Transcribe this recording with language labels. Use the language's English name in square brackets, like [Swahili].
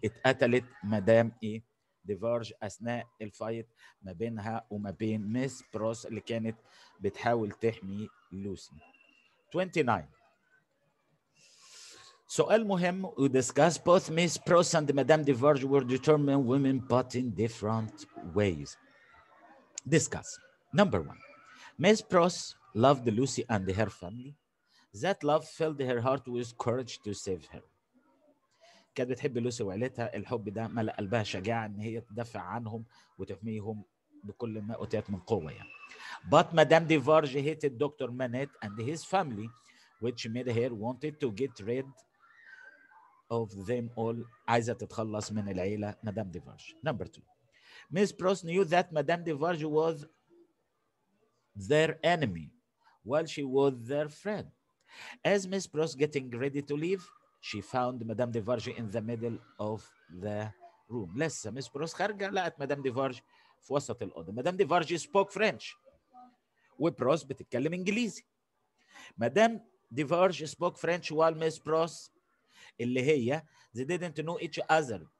[Arabic] اتقتلت Madame Defarge أثناء الفايت ما بينها وما بين Miss Pross اللي كانت بتحاول تحمي لوسي. 29. سؤال مهم. [English] We discussed both Miss Pross and Madame Defarge were determined women but in different ways. Discuss. Number one, Miss Pross loved Lucy and her family. That love filled her heart with courage to save her. [Arabic] كانت بتحب لوسي وعيلتها. الحب ده ملأ قلبها شجاعة ان هي تدافع عنهم وتحميهم بكل ما أوتيت من قوة يعني. [English] But Madame Defarge hated Dr. Manette and his family, which made her wanted to get rid of them all. [Arabic] عايزة تتخلص من العيلة Madame Defarge. [English] Number two, Miss Pross knew that Madame Defarge was their enemy while she was their friend. As Miss Pross getting ready to leave, she found Madame Defarge in the middle of the room. [Arabic] لسه Miss Pross خارجة لقت Madame Defarge في وسط الأوضة. [English] Madame Defarge spoke French وPross [Arabic] بتتكلم إنجليزي. [English] Madame Defarge spoke French while Miss Pross [Arabic] اللي هي [English] they didn't know each other.